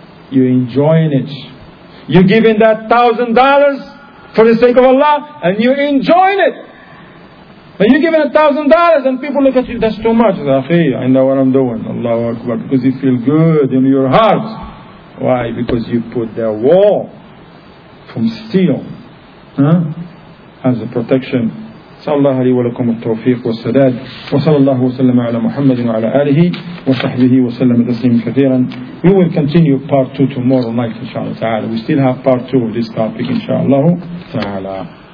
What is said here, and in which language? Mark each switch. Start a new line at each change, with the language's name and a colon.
English: You're enjoying it. You're giving that $1,000 for the sake of Allah and you're enjoying it. But you're giving $1,000 and people look at you, that's too much. I know what I'm doing. Allahu Akbar. Because you feel good in your heart. Why? Because you put that wall from steel as a protection.
Arabic: صلى الله عليه ولكم التوفيق والسداد وصلى الله وسلم على محمد وعلى آله وصحبه وسلم تسليما كثيرا.
English: We will continue part 2 tomorrow night, inshallah ta'ala. We still have part 2 of this topic, inshallah ta'ala.